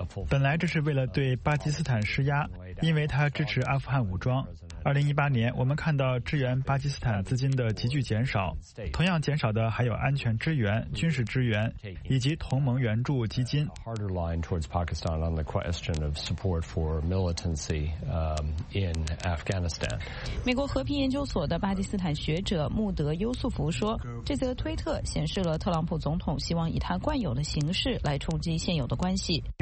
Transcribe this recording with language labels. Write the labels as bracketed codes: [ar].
[zh] 本来这是为了对巴基斯坦施压，因为他支持阿富汗武装。 2018年，我们看到支援巴基斯坦资金的急剧减少，同样减少的还有安全支援、军事支援以及同盟援助基金。 [en] Harder line towards Pakistan on the question of support for militancy in Afghanistan. [zh] 美国和平研究所的巴基斯坦学者穆德·优素福说，这则推特显示了特朗普总统希望以他惯有的形式来冲击现有的关系。